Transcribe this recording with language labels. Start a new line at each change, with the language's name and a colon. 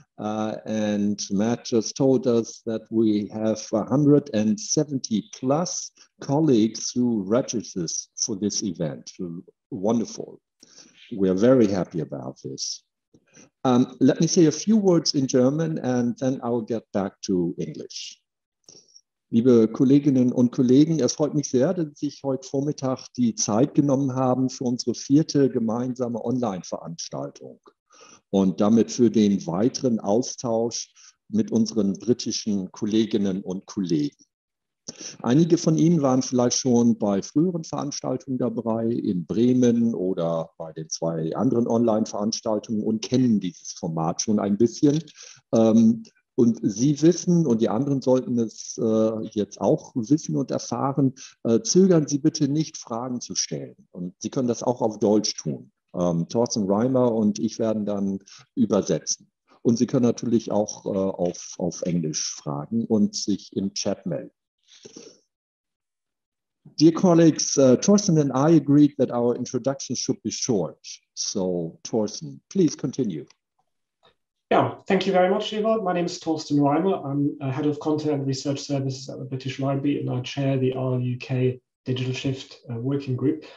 English: And Matt just told us that we have 170 plus colleagues who registered for this event. Wonderful. We are very happy about this. Let me say a few words in German and then I'll get back to English.
German: Liebe Kolleginnen und Kollegen, es freut mich sehr, dass Sie sich heute Vormittag die Zeit genommen haben für unsere vierte gemeinsame Online-Veranstaltung und damit für den weiteren Austausch mit unseren britischen Kolleginnen und Kollegen. Einige von Ihnen waren vielleicht schon bei früheren Veranstaltungen dabei, in Bremen oder bei den zwei anderen Online-Veranstaltungen und kennen dieses Format schon ein bisschen. Und Sie wissen, und die anderen sollten es jetzt auch wissen und erfahren, zögern Sie bitte nicht, Fragen zu stellen. Und Sie können das auch auf Deutsch tun. Torsten, Reimer und ich werden dann übersetzen. Und Sie können natürlich auch auf Englisch fragen und sich im Chat melden.
English: Dear colleagues, Torsten and I agreed that our introduction should be short. So, Torsten, please continue. Yeah, thank you very much, Eva. My name is Torsten Reimer. I'm Head of Content and Research Services at the British Library, and I chair the RLUK Digital Shift Working Group.